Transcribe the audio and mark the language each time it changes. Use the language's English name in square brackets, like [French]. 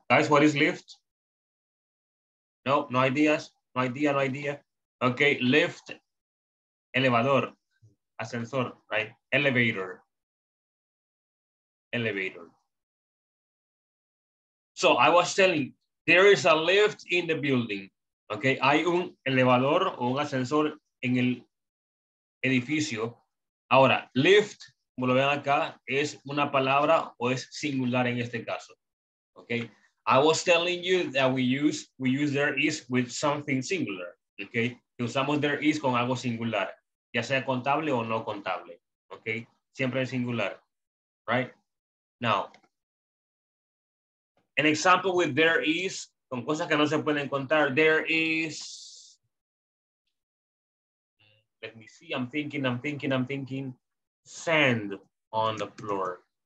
[English] Guys, what is lift? No idea. Okay, lift, elevador, ascensor, right? Elevator. So I was telling, there is a lift in the building. [Spanish] Okay, hay un elevador o un ascensor en el edificio. Ahora, lift, como lo ven acá, es una palabra o es singular en este caso. [English] Okay, I was telling you that we use there is with something singular. [Spanish] Okay. Usamos there is con algo singular, ya sea contable o no contable, okay? Siempre en singular, [English] right? Now, an example with there is, [Spanish] con cosas que no se pueden contar, [English] there is, let me see, I'm thinking, sand on the floor.